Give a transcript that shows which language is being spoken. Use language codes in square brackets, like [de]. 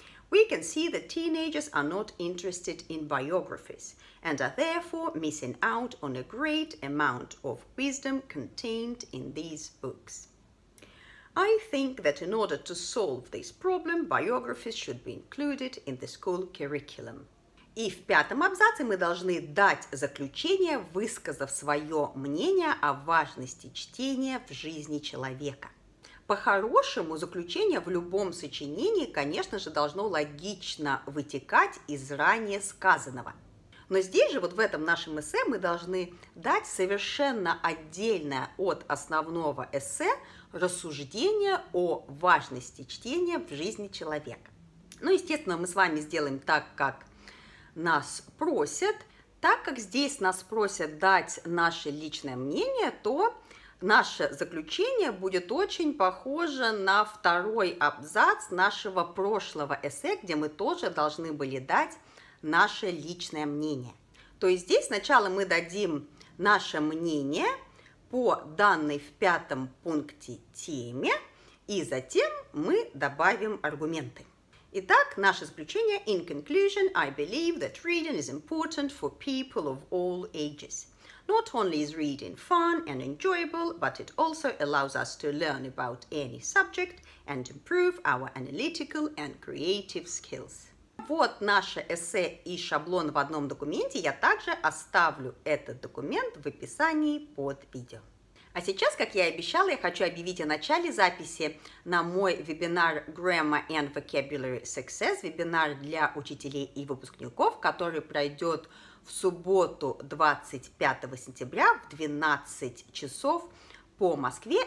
[en] We can see that teenagers are not interested in biographies and are therefore missing out on a great amount of wisdom contained in these books. I think that in order to solve this problem, biographies should be included in the school curriculum. [ru] И в пятом абзаце мы должны дать заключение, высказав свое мнение о важности чтения в жизни человека. По-хорошему, заключение в любом сочинении, конечно же, должно логично вытекать из ранее сказанного. Но здесь же, вот в этом нашем эссе, мы должны дать совершенно отдельное от основного эссе рассуждение о важности чтения в жизни человека. Ну, естественно, мы с вами сделаем так, как нас просят. Так как здесь нас просят дать наше личное мнение, то наше заключение будет очень похоже на второй абзац нашего прошлого эссе, где мы тоже должны были дать наше личное мнение. То есть здесь сначала мы дадим наше мнение по данной в пятом пункте теме, и затем мы добавим аргументы. Итак, наше заключение. [en] In conclusion, I believe that reading is important for people of all ages. Not only is reading fun and enjoyable, but it also allows us to learn about any subject and improve our analytical and creative skills. [ru] Вот наше эссе и шаблон в одном документе. Я также оставлю этот документ в описании под видео. А сейчас, как я и обещала, я хочу объявить о начале записи на мой вебинар Grammar and Vocabulary Success, вебинар для учителей и выпускников, который пройдет в субботу 25 сентября в 12 часов по Москве.